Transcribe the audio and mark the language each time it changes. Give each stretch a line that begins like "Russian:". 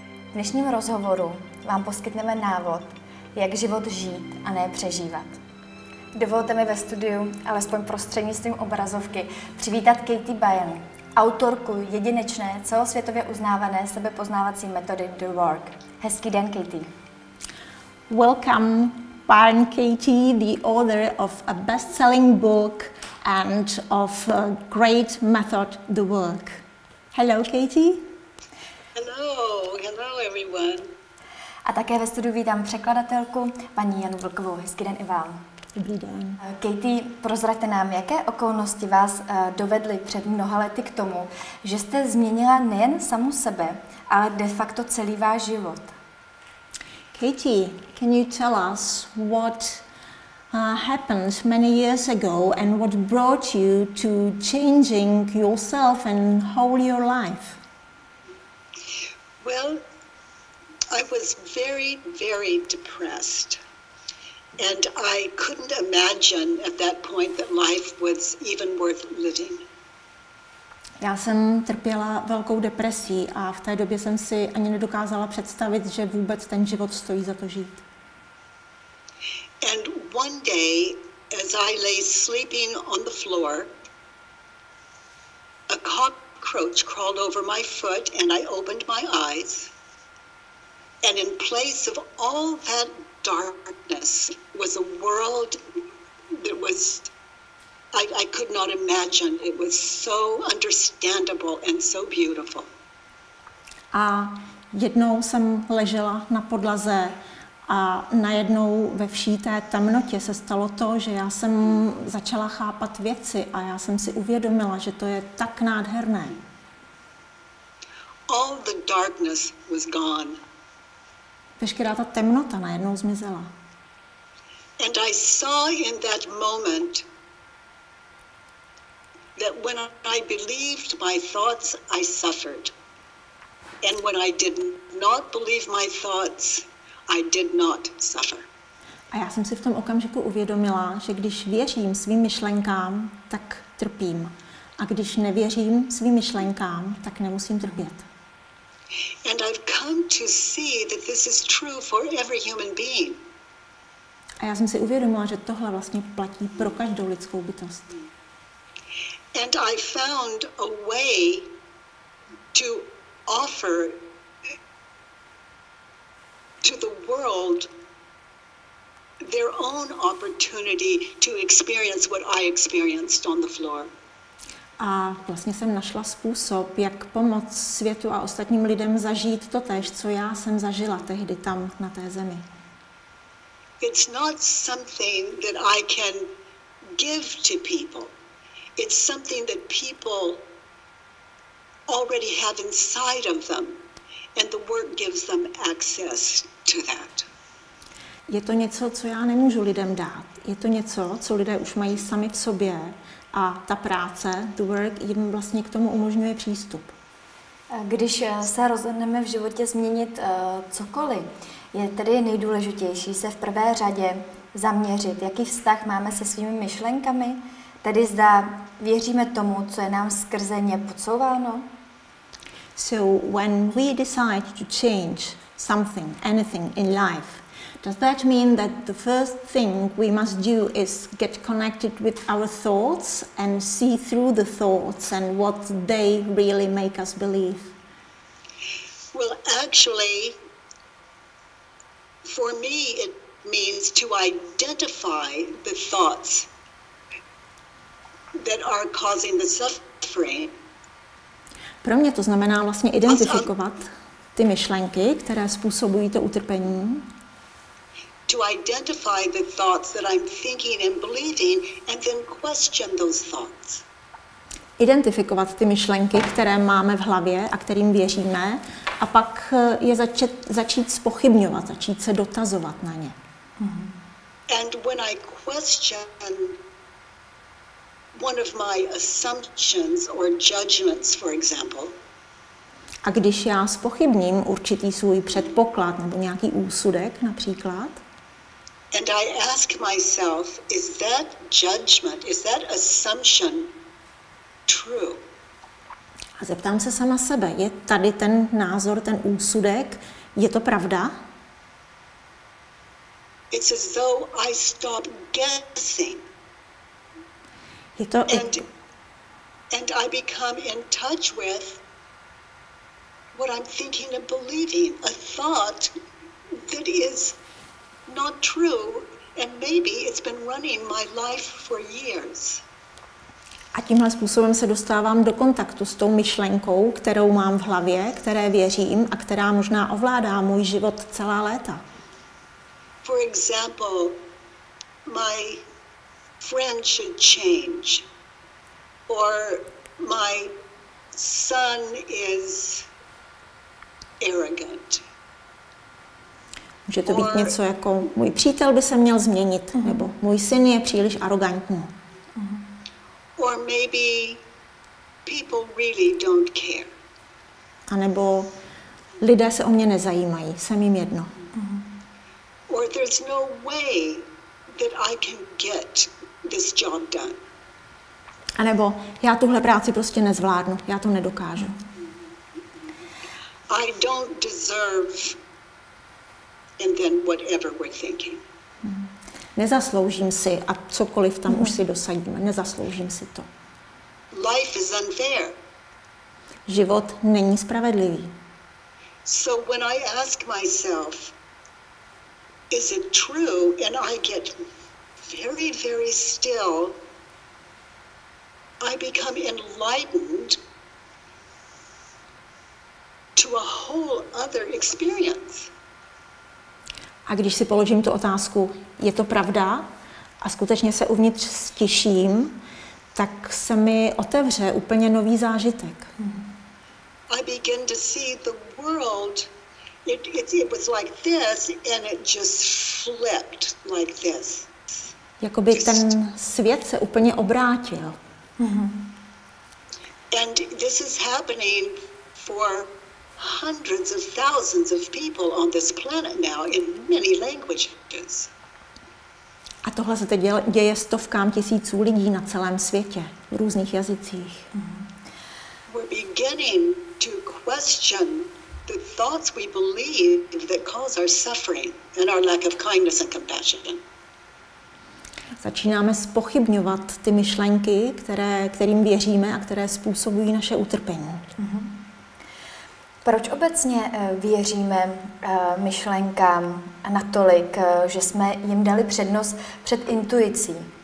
Czech: V dnešním rozhovoru vám poskytneme návod, jak život žít a ne přežívat. Dovolte mi ve studiu, alespoň prostřednictvím obrazovky, přivítat Katie Byan, autorku jedinečné, celosvětově uznávané sebepoznávací metody The Work. Hezký den, Katie.
English: Welcome, Byan Katie, the author of a best-selling book and of a great method, The Work. Hello, Katie. Hello, everyone.
Czech: A také ve studiu vítám překladatelku, paní Janu Vlkovou. Hezký den i vám. Dobrý den. Katie, prozraďte nám, jaké okolnosti vás dovedly před mnoha lety k tomu, že jste změnila nejen samu sebe, ale de facto celý váš život.
English: Katie, can you tell us what happened many years ago and what brought you to changing yourself and whole your life? Well, I was very, very depressed. And I couldn't imagine at that point that life was even worth living.
Czech: Já jsem trpěla velkou depresí a v té době jsem si ani nedokázala představit, že vůbec ten život stojí za to žít.
English: And one day, as I lay sleeping on the floor, a cockroach crawled over my foot and I opened my eyes. And in place of all that darkness was a world that was, I could not imagine. It was so understandable and so beautiful.
Czech: A jednou jsem ležela na podlaze a najednou ve vší té temnotě se stalo to, že já jsem začala chápat věci a já jsem si uvědomila, že to je tak nádherné.
English: All the darkness was gone.
Czech: Veškerá ta temnota najednou zmizela.
English: And I saw in that moment that when I believed my thoughts, I suffered. And when I did not believe my thoughts, I did not suffer.
Czech: A já jsem si v tom okamžiku uvědomila, že když věřím svým myšlenkám, tak trpím. A když nevěřím svým myšlenkám, tak nemusím trpět.
English: And I've come to see that this is true for every human being.
Czech: A já jsem si uvědomila, že tohle vlastně platí pro každou lidskou bytost.
English: And I found a way to offer to the world their own opportunity to experience what I experienced on the floor.
Czech: A vlastně jsem našla způsob, jak pomoct světu a ostatním lidem zažít to též, co já jsem zažila tehdy tam na té zemi.
English: It's not something that I can give to people. It's something that people already have inside of them, and the work gives them access to that.
Czech: Je to něco, co já nemůžu lidem dát. Je to něco, co lidé už mají sami v sobě. A ta práce, the work, jim vlastně k tomu umožňuje přístup. Když se rozhodneme v životě změnit cokoliv, je tedy nejdůležitější se v prvé řadě zaměřit, jaký vztah máme se svými myšlenkami, tedy zda věříme tomu, co je nám skrze ně podsouváno.
English: So when we decide to change something, anything in life, does that mean that the first thing we must do is get connected with our thoughts and see through the thoughts and what they really make us believe? Well, actually, for me, it means to identify the thoughts that are causing the suffering.
Czech: Pro mě to znamená vlastně identifikovat ty myšlenky, které způsobují to utrpení.
English: To identify the thoughts that I'm thinking and believing, and then question those thoughts.
Czech: Identifikovat ty myšlenky, které máme v hlavě a kterým věříme, a pak je začít zpochybňovat, začít se dotazovat na ně.
English: And when I question one of my assumptions or judgments, for example.
Czech: A když já zpochybním určitý svůj předpoklad nebo nějaký úsudek, například.
English: And I ask myself, is that judgment, is that assumption true?
Czech: A zeptám se sama sebe, je tady ten názor, ten úsudek, je to pravda?
English: It's as though I stop guessing.
Czech: Je to
English: and I become in touch with what I'm thinking and believing, a thought that is not true, and maybe it's been running my life for years.
Czech: A tímhle způsobem se dostávám do kontaktu s tou myšlenkou, kterou mám v hlavě, které věřím a která možná ovládá můj život celá léta.
English: For example, my friend should change, or my son is arrogant.
Czech: Může to být něco jako můj přítel by se měl změnit, nebo můj syn je příliš arrogantní.
English: Or maybe people really don't care.
Czech: A nebo lidé se o mě nezajímají, jsem jim jedno.
English: Or there's no way that I can get this job done.
Czech: A nebo já tuhle práci prostě nezvládnu, já to nedokážu.
English: I don't deserve, and then whatever we're thinking.
Czech: Nezasloužím si a cokoliv tam už si dosadíme. Nezasloužím si to.
English: Life is unfair.
Czech: Život není spravedlivý.
English: So when I ask myself, is it true, and I get very, very still, I become enlightened to a whole other experience.
Czech: A když si položím tu otázku, je to pravda, a skutečně se uvnitř stiším, tak se mi otevře úplně nový zážitek.
English: I begin to see the world, it was like this, and it just flipped like this.
Czech: Jakoby just ten svět se úplně obrátil.
English: And this is happening for hundreds of thousands of people on this planet now in many languages.
Czech: A tohle se teď děje stovkám tisíců lidí na celém světě v různých jazycích.
English: We're beginning to question the thoughts we believe that cause our suffering and our lack of kindness and compassion.
Czech: Začínáme spochybňovat ty myšlenky, kterým věříme a které způsobují naše utrpení. Proč obecně věříme myšlenkám natolik, že jsme jim dali přednost před intuicí?